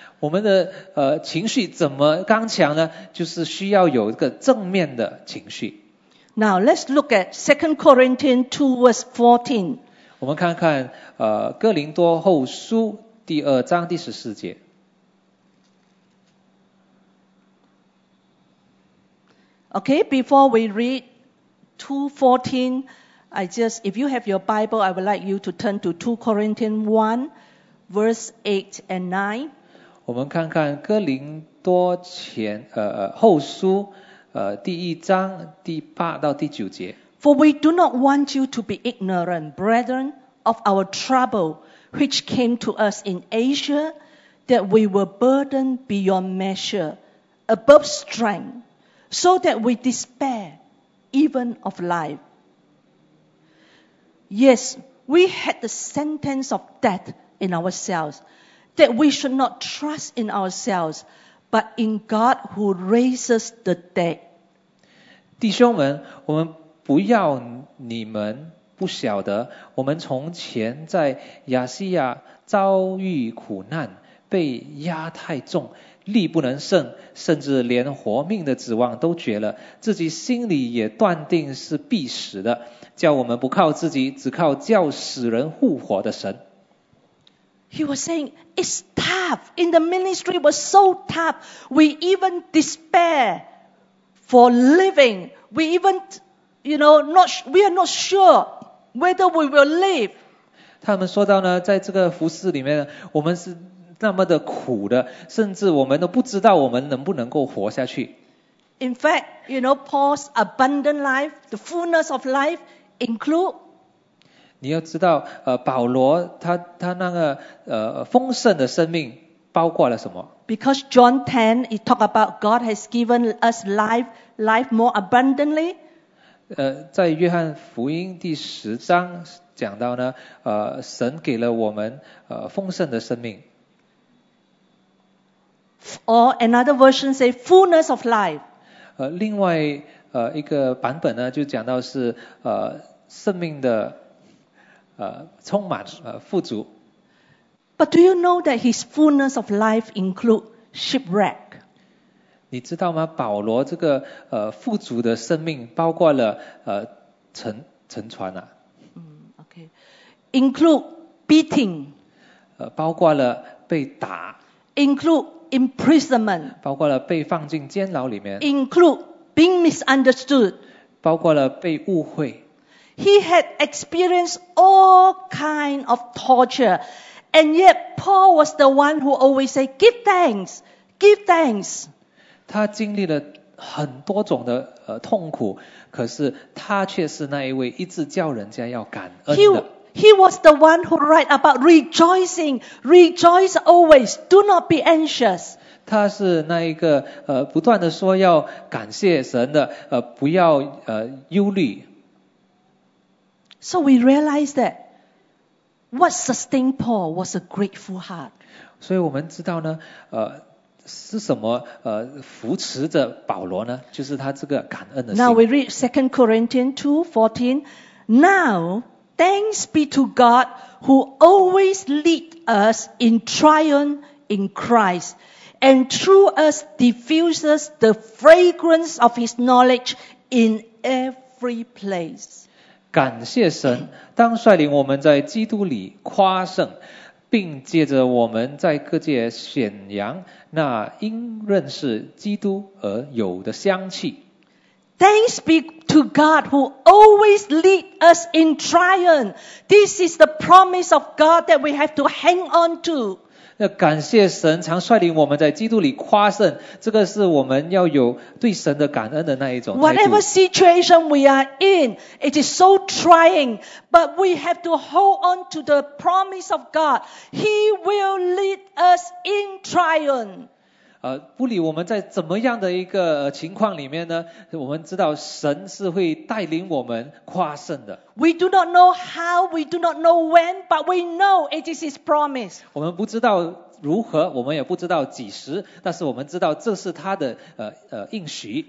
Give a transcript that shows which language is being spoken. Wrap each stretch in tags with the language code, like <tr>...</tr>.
<zh>我们的情绪怎么刚强呢？就是需要有一个正面的情绪。</zh> <en>Now let's look at 2 Corinthians 2 verse 14.</en> <zh>我们看看哥林多后书第二章第十四节。</zh> <en>Okay, before we read 2:14, I just, if you have your Bible, I would like you to turn to 2 Corinthians 1, verse 8 and 9.</en> <zh>我们看看哥林多前后书第一章第八到第九节。</zh> <en>For we do not want you to be ignorant, brethren, of our trouble which came to us in Asia, that we were burdened beyond measure, above strength, so that we despair even of life. Yes, we had the sentence of death in ourselves, that we should not trust in ourselves, but in God who raises the dead.</en> <zh>弟兄们，我们不要你们不晓得，我们从前在亚细亚遭遇苦难，被压太重，力不能胜，甚至连活命的指望都绝了，自己心里也断定是必死的，叫我们不靠自己，只靠叫死人复活的神。</zh> <en>He was saying, it's tough. In the ministry was so tough. We even despair for living. We even, you know, not, we are not sure whether we will live.</en> <zh>他们说到呢，在这个服事里面，我们是那么的苦的，甚至我们都不知道我们能不能够活下去。</zh> <en>In fact, you know, Paul's abundant life, the fullness of life, include.</en> <zh>你要知道，保罗他那个丰盛的生命包括了什么</zh> <en>？Because John 10, he talk about God has given us life, life more abundantly.</en> <zh>在约翰福音第十章讲到呢，神给了我们丰盛的生命。</zh> <en>Or another version say fullness of life.</en> <zh>另外一个版本呢，就讲到是生命的充满富足。</zh> <en>But do you know that his fullness of life include shipwreck?</en> <zh>你知道吗？保罗这个富足的生命包括了沉船啊。</zh> <en>Okay. Include beating.</en> <zh>包括了被打。</zh> <en>Include imprisonment,</en> <zh>包括了被放进监牢里面。</zh> <en>Include being misunderstood,</en> <zh>包括了被误会。</zh> <en>He had experienced all kind of torture, and yet Paul was the one who always say, "Give thanks, give thanks."</en> <zh>他经历了很多种的痛苦，可是他却是那一位一直叫人家要感恩的。</zh> <en>He was the one who write about rejoicing. Rejoice always. Do not be anxious.</en> <zh>他是那一个不断的说要感谢神的，不要忧虑。</zh> <en>So we realize that what sustained Paul was a grateful heart.</en> <zh>所以我们知道呢，是什么扶持着保罗呢？就是他这个感恩的心。</zh> <en>Now we read 2 Corinthians 2:14. Now, thanks be to God who always lead us in triumph in Christ and through us diffuses the fragrance of his knowledge in every place.</en> <zh>感谢神，当率领我们在基督里夸胜，并借着我们在各界显扬那因认识基督而有的香气。</zh> <en>Thanks be to God who always lead us in triumph. This is the promise of God that we have to hang on to.</en> <zh>感谢神常率领我们在基督里夸胜，这个是我们要有对神的感恩的那一种态度。</zh> <en>Whatever situation we are in, it is so trying, but we have to hold on to the promise of God. He will lead us in triumph.</en> <zh>不理我们在怎么样的一个情况里面呢，我们知道神是会带领我们跨胜的。</zh> <en>We do not know how, we do not know when, but we know it is His promise.</en> <zh>我们不知道如何，我们也不知道几时，但是我们知道这是他的应许。</zh>